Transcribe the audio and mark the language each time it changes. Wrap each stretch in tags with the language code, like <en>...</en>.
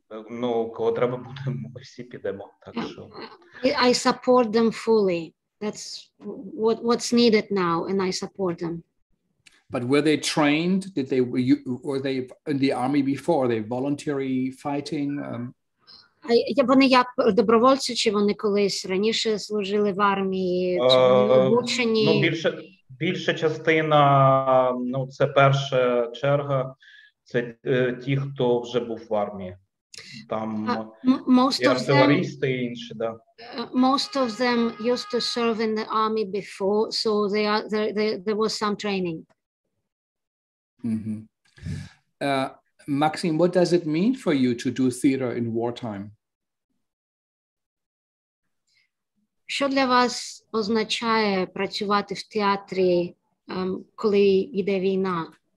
<uk>Ну, кого треба буде, ми всі підемо, так що.</uk> <en>I support them fully. That's what's needed now, and I support them. But were they trained? Did they were they in the army before? Are they voluntary fighting?</en> <uk>Вони як добровольці, чи вони колись раніше служили в армії, чи вони обучені? Ну, більша частина, ну, це перша черга, це ті, хто вже був в армії. Там</uk> <en>most of them,</en> <uk>інші, да.</uk> <en>Most of them used to serve in the army before, so they are there was some training. Maxim, what does it mean for you to do theater in wartime?</en> <uk>Що для вас означає працювати в театрі, коли йде війна?</uk>